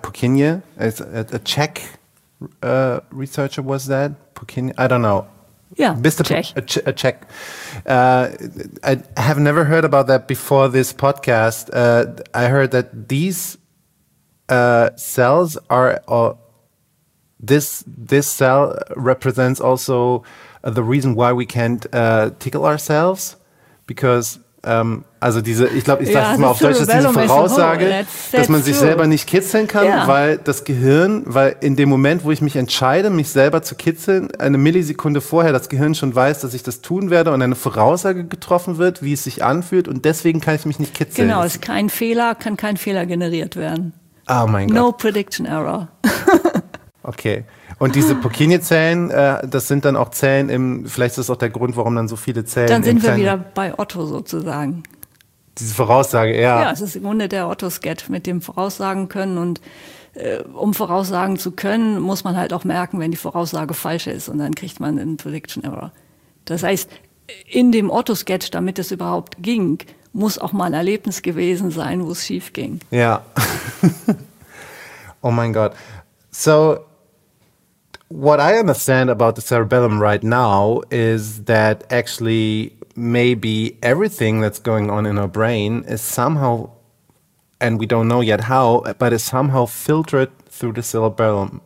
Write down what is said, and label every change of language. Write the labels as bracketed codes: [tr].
[en] Purkinje, it's a Czech researcher, was that? Purkinje, I don't know. Yeah, Czech. I have never heard about that before this podcast. I heard that these cells are... This cell represents also the reason why we can't tickle ourselves, because [de] also diese ich sag's mal auf Deutsch, diese Voraussage, dass man sich selber nicht kitzeln kann, weil in dem Moment, wo ich mich entscheide, mich selber zu kitzeln, eine Millisekunde vorher das Gehirn schon weiß, dass ich das tun werde, und eine Voraussage getroffen wird, wie es sich anfühlt, und deswegen kann ich mich nicht kitzeln. Genau, es kann kein Fehler generiert werden. Oh mein Gott. [en] No prediction error. Okay. [de] Und diese Purkinje-Zellen, das sind dann auch Zellen im, vielleicht ist das auch der Grund, warum dann so viele Zellen. Dann sind wir wieder bei Otto sozusagen. Diese Voraussage, ja. Ja, es ist im Grunde der Otto-Sketch mit dem Voraussagen können. Und um voraussagen zu können, muss man halt auch merken, wenn die Voraussage falsch ist. Und dann kriegt man einen Prediction Error. Das heißt, in dem Otto-Sketch, damit es überhaupt ging, muss auch mal ein Erlebnis gewesen sein, wo es schief ging. Ja. Oh mein Gott. [en] So, what I understand about the cerebellum right now is that actually maybe everything that's going on in our brain is somehow, and we don't know yet how, but is somehow filtered through the cerebellum.